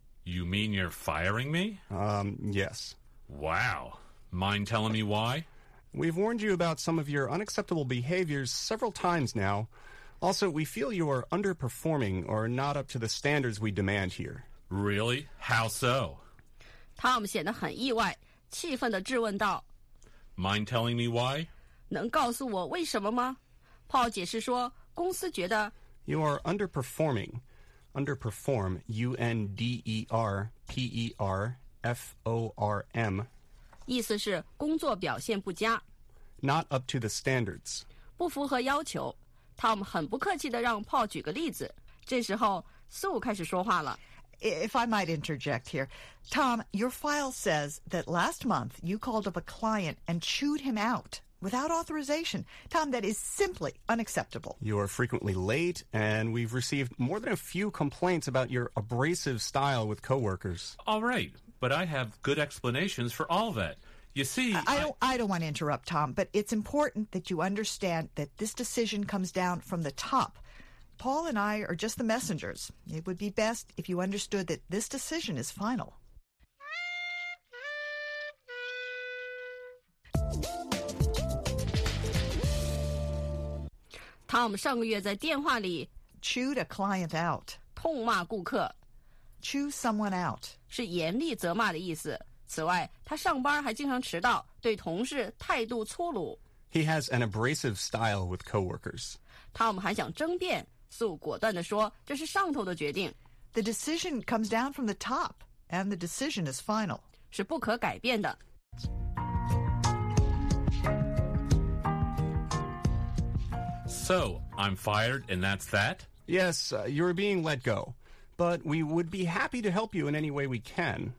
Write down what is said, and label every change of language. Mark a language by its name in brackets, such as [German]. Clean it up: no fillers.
[English] You mean you're firing me? Yes. Wow. Mind telling me why? We've warned you about some of your unacceptable behaviors several times now. Also, we feel you are underperforming or not up to the standards we demand here. Really? How so? [Chinese] Tom 显得很意外，气愤地质问道 [English] Mind telling me why? [Chinese] 能告诉我为什么吗 ？Paul 解释说，公司觉得 [English] You are underperforming. Underperform, U-N-D-E-R-P-E-R, form. [Chinese] 意思是工作表现不佳。 [English] Not up to the standards. [Chinese] 不符合要求。 Tom 很不客气地让 Paul 举个例子。这时候 Sue 开始说话了。 [English] If I might interject here, Tom, your file says that last month you called up a client and chewed him out without authorization. Tom, that is simply unacceptable. You are frequently late, and we've received more than a few complaints about your abrasive style with coworkers. All right, but I have good explanations for all that. You see, I don't want to interrupt, Tom, but it's important that you understand that this decision comes down from the top. Paul and I are just the messengers. It would be best if you understood that this decision is final. [Chinese] Tom 上个月在电话里 [English] chewed a client out. [Chinese] 痛骂顾客 [English] chew someone out. [Chinese] 是严厉责骂的意思。此外，他上班还经常迟到，对同事态度粗鲁。 [English] He has an abrasive style with coworkers. [Chinese] Tom 还想争辩。素果断地说，这是上头的决定。 [English] The decision comes down from the top, and the decision is final. [Chinese] 是不可改变的。 [English] So, I'm fired, and that's that? Yes, you're being let go. But we would be happy to help you in any way we can.